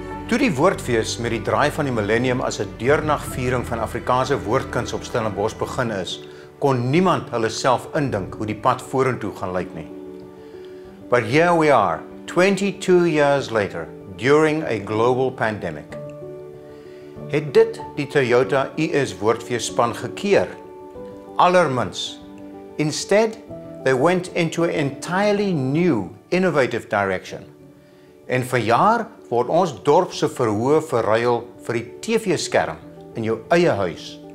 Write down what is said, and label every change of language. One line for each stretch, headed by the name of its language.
Afrikaans: Toe die woordfees met die draai van die millennium as 'n deurnagviering van Afrikaanse woordkuns op Stellenbosch begin is, kon niemand hulle self indink hoe die pad vorentoe gaan lyk nie.
English: But here we are, 22 years later, during a global pandemic.
Afrikaans: Het dit die Toyota IS woordfees span gekeer? Allermins.
English: Instead, they went into an entirely new, innovative direction.
Afrikaans: En verjaar word ons dorpse verhoë verruil vir die TV-skerm in jou eie huis.